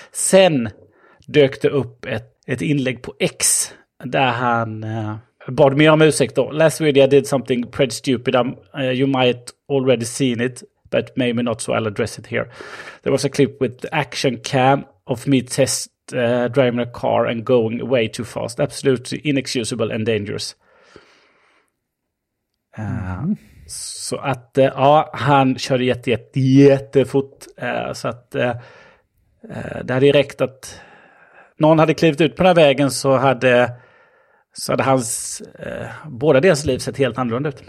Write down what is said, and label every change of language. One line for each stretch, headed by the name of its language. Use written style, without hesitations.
Swedish: Sen dök det upp ett inlägg på X där han bad mig om ursäkt då.
English: Last video I did something pretty stupid. You might already seen it. but maybe not, so I'll address it here. There was a clip with action cam of me test driving a car and going way too fast. Absolutely inexcusable and dangerous.
Swedish: Så att ja, han körde jättefort. Så att det hade räckt att någon hade klivit ut på den här vägen, så hade hans båda deras liv sett helt annorlunda ut.